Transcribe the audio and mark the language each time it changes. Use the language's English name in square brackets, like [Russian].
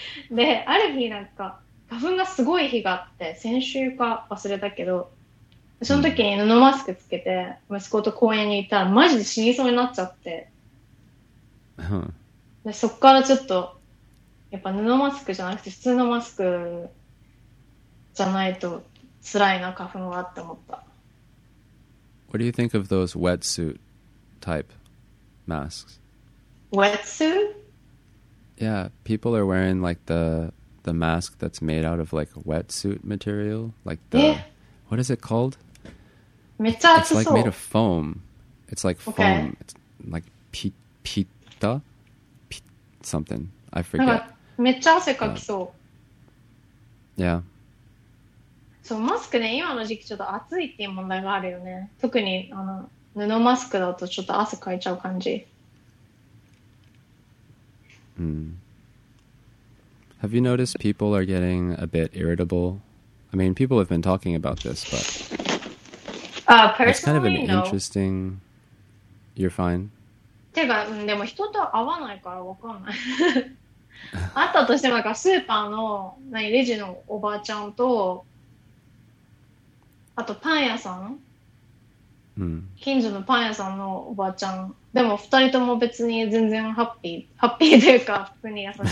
[Japanese] で、ある日なんか、花粉がすごい日があって、先週か忘れたけど、その時に布マスクつけて、息子と公園に行ったら、マジで死にそうになっちゃって。でそこからちょっとやっぱ布マスクじゃなくて普通のマスクじゃないと辛いな花粉はって思った。 [English] What do you think of those wetsuit type masks? Wetsuit? Yeah, people are wearing like the mask that's made out of like wetsuit material. Like the, what is it called? [Japanese] めっちゃ熱そう。 [English] It's like made of foam. It's like foam. Okay. It's like pita? Something. I forget. [Japanese] なんかめっちゃ汗かきそう。 [English] Yeah. [Japanese] そうマスクね今の時期ちょっと暑いっていう問題があるよね特にあの布マスクだとちょっと汗かいちゃう感じ、 [English] Have you noticed people are getting a bit irritable? I mean people have been talking about this but personally, it's kind of an interesting you're fine [Japanese] てかでも人と会わないから分かんない会ったとしてもなんかスーパーのなレジのおばあちゃんとあとパン屋さん、近所のパン屋さんのおばあちゃん、でも二人とも別に全然ハッピー、ハッピーというか普通に優しい。